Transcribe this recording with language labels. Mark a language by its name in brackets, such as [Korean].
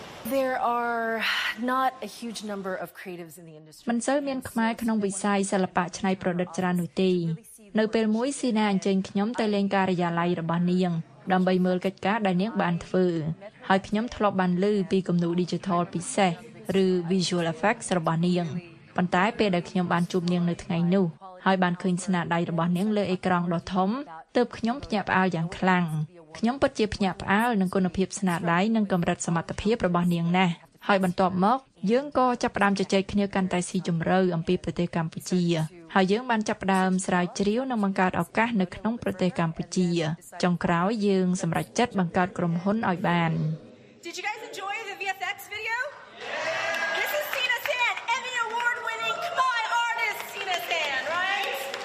[English] There are not a huge number of creatives in the industry. [Khmer] មិនសូវមានខ្មែរក្នុងវិស័យសិល្បៈច្នៃប្រឌិតច្រើននោះទេ។នៅពេលមួយស៊ីណាអញ្ជើញខ្ញុំទៅលេងការិយាល័យរបស់នាងដើម្បីមើលកិច្ចការដែលនាងបានធ្វើ ។ហើយខ្ញុំធ្លាប់បានលឺពីគំនូរ Digital ពិសេសឬ Visual Effects របស់នាង។ប៉ុន្តែពេលដែលខ្ញុំបានជួបនាងនៅថ្ងៃនោះហើយបានឃើញស្នាដៃរបស់នាងលើអេក្រង់ដ៏ធំទើបខ្ញុំភ្ញាក់ផ្អើលយ៉ាងខ្លាំង។ខ្ញុំពិតជាភ្ញាក់ផ្អើលនឹងគុណភាពស្នាដៃនិងកម្រិតសមត្ថភាពរបស់នាងណាស់ហើយបន្ទាប់មកយើងក៏ចាប់ផ្ដើមជជែកគ្នាកាន់តែស៊ីជម្រៅអំពីប្រទេសកម្ពុជា ហើយយើងបានចាប់ផ្ដើមស្រាវជ្រាវនិងបង្កើតឱកាសនៅក្នុងប្រទេសកម្ពុជាចុងក្រោយយើងសម្រេចចិត្តបង្កើតក្រុមហ៊ុនឲ្យបាន [English] Did you guys enjoy the VFX video? Yeah. This is Sina Tan, Emmy award winning Khmer artist Sina Tan, right?